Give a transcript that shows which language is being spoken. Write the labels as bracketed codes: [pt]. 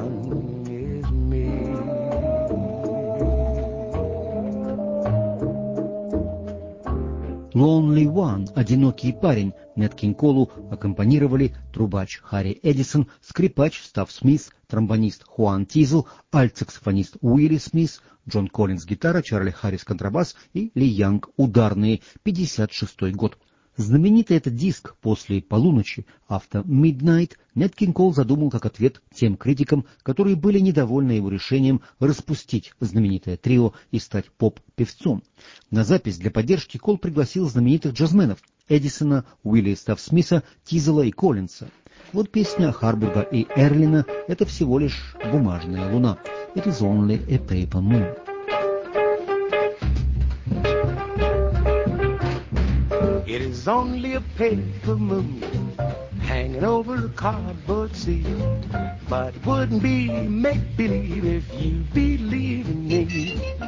[en] Since you're gone, the lonely one. [ru] «Lonely One» – «Одинокий парень» Нэт Кинг Колу аккомпанировали трубач Харри Эдисон, скрипач Стаф Смит, тромбонист Хуан Тизл, альтсаксофонист Уилли Смит, Джон Коллинз – гитара, Чарли Харрис – контрабас и Ли Янг – ударные, 56-й год. Знаменитый этот диск «После полуночи» After Midnight Нэт Кинг Кол задумал как ответ тем критикам, которые были недовольны его решением распустить знаменитое трио и стать поп-певцом. На запись для поддержки Кол пригласил знаменитых джазменов Эдисона, Уилли Стаф Смита, Тизела и Коллинса. Вот песня Харбурга и Эрлина «Это всего лишь бумажная луна». [en] It is only a paper moon. It is only a paper moon hanging over a cardboard sea, but it wouldn't be make-believe if you believe in me.